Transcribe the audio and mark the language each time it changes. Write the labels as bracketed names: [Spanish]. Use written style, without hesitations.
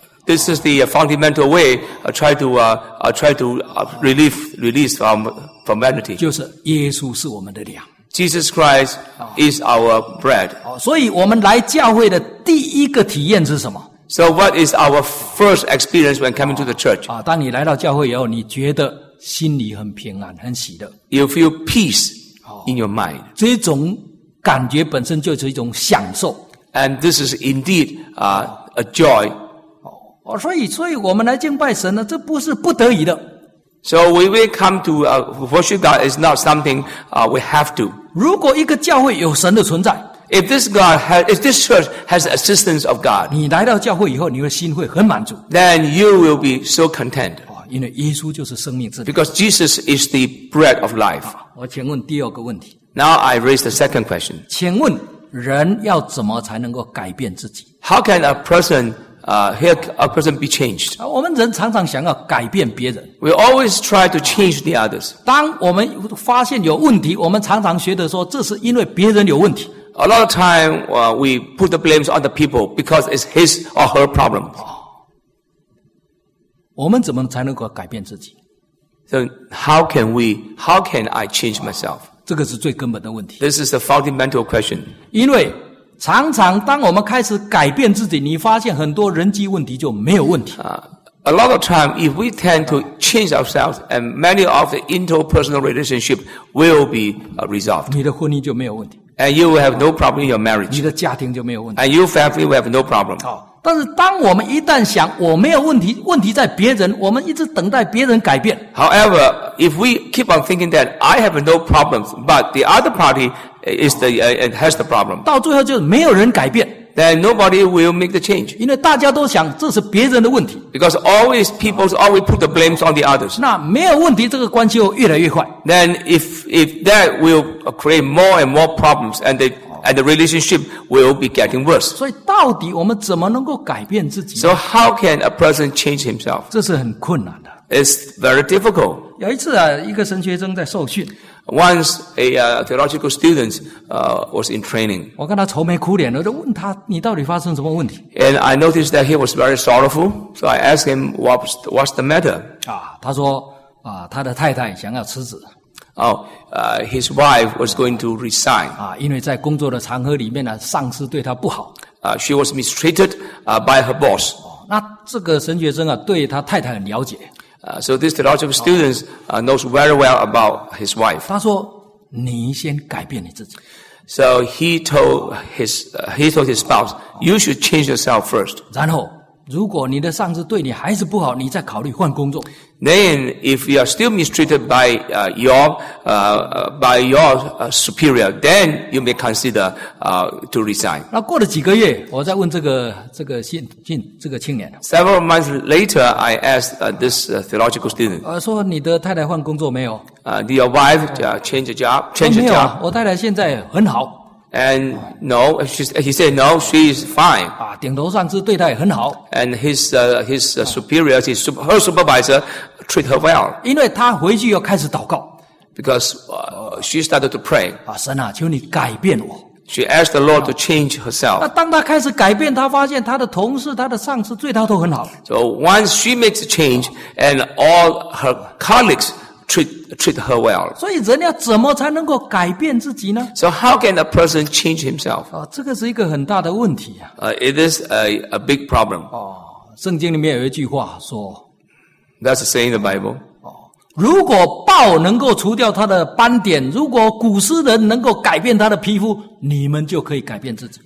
[English] This is the fundamental way try to release from vanity. [Chinese] 就是耶稣是我们的粮。 [English] Jesus Christ is our bread. [Chinese] 所以我们来教会的第一个体验是什么？ [English] So what is our first experience when coming to the church? [Chinese] 当你来到教会以后，你觉得心里很平安，很喜乐。 [English] You feel peace in your mind. [Chinese] 这种感觉本身就是一种享受。 [English] And this is indeed a joy. [Chinese] 所以我们来敬拜神呢，这不是不得已的。 [English] So we will come to worship God is not something we have to. [Chinese] 如果一个教会有神的存在 [English] if this church has assistance of God, [Chinese] 你来到教会以后，你的心会很满足。 [English] Then you will be so content. [Chinese] 因为耶稣就是生命之粮。 [English] Because Jesus is the bread of life. [Chinese] 我请问第二个问题。 [English] Now I raise the second question. [Chinese] 请问人要怎么才能够改变自己 [English] ？How can a person here a person be changed. [Chinese] 我们人常常想要改变别人。 [English] We always try to change the others. [Chinese] 当我们发现有问题，我们常常觉得说这是因为别人有问题。 [English] A lot of time, we put the blame on the people because it's his or her problem. [Chinese] 我们怎么才能够改变自己？ [English] So how can I change myself? [Chinese] 这个是最根本的问题。 [English] This is the fundamental question. [Chinese] 因为常常当我们开始改变自己，你发现很多人际问题就没有问题。 [English] A lot of time, if we tend to change ourselves, and many of the interpersonal relationship will be resolved. [Chinese] 你的婚姻就没有问题。 [English] And you will have no problem in your marriage. [Chinese] 你的家庭就没有问题。 [English] And your family will have no problem. [Chinese] 好，但是当我们一旦想我没有问题，问题在别人，我们一直等待别人改变。 [English] However, if we keep on thinking that I have no problems, but the other party is the has the problem. [Chinese] 到最后就没有人改变。 [English] Then nobody will make the change. [Chinese] 因为大家都想这是别人的问题。 [English] Because always people always put the blames on the others. [Chinese] 那没有问题，这个关系又越来越坏。 [English] Then if that will create more and more problems, and the relationship will be getting worse. [Chinese] 所以到底我们怎么能够改变自己？ [English] So how can a person change himself? [Chinese] 这是很困难的。 [English] It's very difficult. [Chinese] 有一次啊，一个神学生在受训。 [English] Once a theological student was in training. [Chinese] 我跟他愁眉苦脸的，就问他你到底发生什么问题。 [English] And I noticed that he was very sorrowful, so I asked him what's the matter. [Chinese] 啊，他说啊，他的太太想要辞职。 [English] His wife was going to resign. [Chinese] 啊，因为在工作的场合里面呢，上司对他不好。 [English] She was mistreated by her boss. [Chinese] 那这个神学生啊，对他太太很了解。 [English] So this theological student knows very well about his wife. [Chinese] 他说你先改变你自己。 [English] So he told his spouse, you should change yourself first. [Chinese] 然后如果你的上司对你还是不好，你再考虑换工作。 [English] Then if you are still mistreated by your superior, then you may consider to resign. [Chinese] 那过了几个月，我再问这个青年。 [English] Several months later, I asked this theological student. [Chinese] 说你的太太换工作没有？ [English] Did your wife change a job? Change a job? [Chinese] 没有，我太太现在很好。 [English] And no, he said no. She is fine. [Chinese] 啊，顶头上司对她也很好。 [English] And his superior, her supervisor, treat her well. [Chinese] 因为她回去又开始祷告。 [English] Because she started to pray. [Chinese] 啊，神啊，求你改变我。 [English] She asked the Lord to change herself. [Chinese] 那当她开始改变，她发现她的同事、她的上司对她都很好。 [English] So once she makes a change, and all her colleagues. Treat her well. [Chinese] 所以人要怎么才能够改变自己呢？ [English] So how can a person change himself? [Chinese] 这个是一个很大的问题啊。 [English] It is a big problem. [Chinese] 圣经里面有一句话说。 [English] That's a saying in the Bible. [Chinese] 如果豹能够除掉它的斑点，如果古斯人能够改变它的皮肤，你们就可以改变自己。